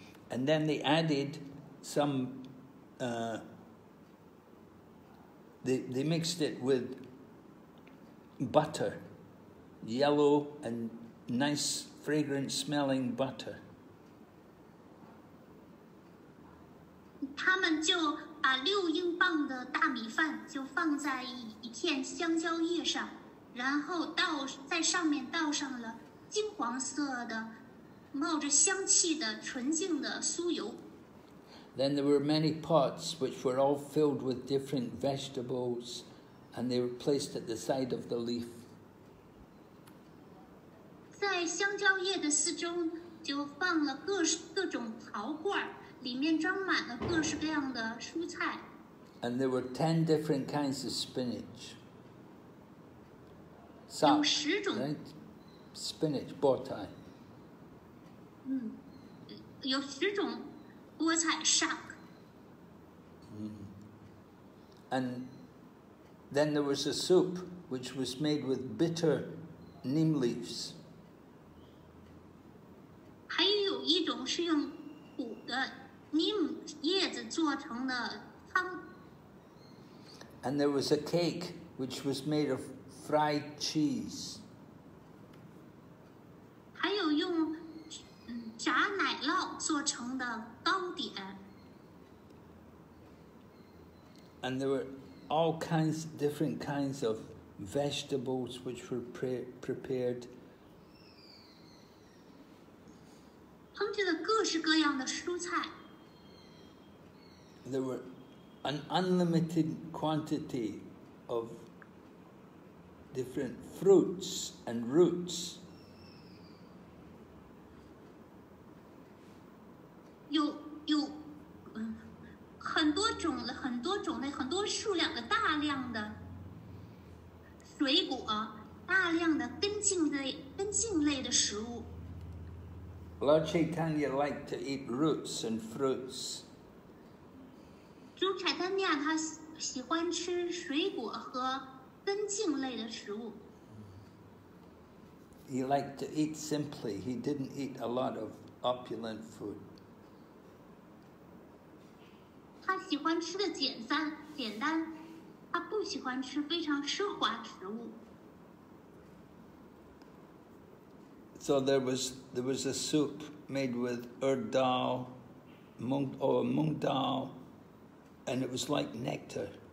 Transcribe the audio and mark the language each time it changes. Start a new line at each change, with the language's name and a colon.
English: And then they added some, they mixed it with butter, yellow and nice fragrant smelling butter.
Chinese: 他们就把6英镑的大米饭就放在一片香蕉叶上。然后倒在上面倒上了金黄色的、冒着香气的纯净的酥油。
English: Then there were many pots which were all filled with different vegetables, and they were placed at the side of the leaf.
Chinese: 在香蕉叶的四周就放了各种陶罐，里面装满了各式各样的蔬菜。
English: And there were 10 different kinds of spinach.
Chinese: 有十种、
English: right? spinach
Chinese: 菠菜。有十种菠菜 shark。
English: And then there was a soup which was made with bitter neem leaves。
Chinese: 还有一种是用苦的 neem 叶子做成的汤。
English: And there was a cake which was made of. Fried cheese.
Chinese: 还有用炸奶酪做成的糕点。
English: And there were all kinds, different kinds of vegetables which were prepared.
Chinese: 烹制了各式各样的蔬菜。
English: There were an unlimited quantity of. Different fruits and roots.
Chinese: 有很多种的很多种类很多数量的大量的水果，大量的根茎类的食物。
English: Lord Chaitanya liked to eat roots and fruits.
Chinese: 主柴丹尼亚他喜欢吃水果和。根茎类的食物。
English: He liked to eat simply. He didn't eat a lot of opulent food.
Chinese: 他喜欢吃的简单，他不喜欢吃非常奢华食物。
English: So there was a soup made with urd dal, mung dal, and it was like nectar.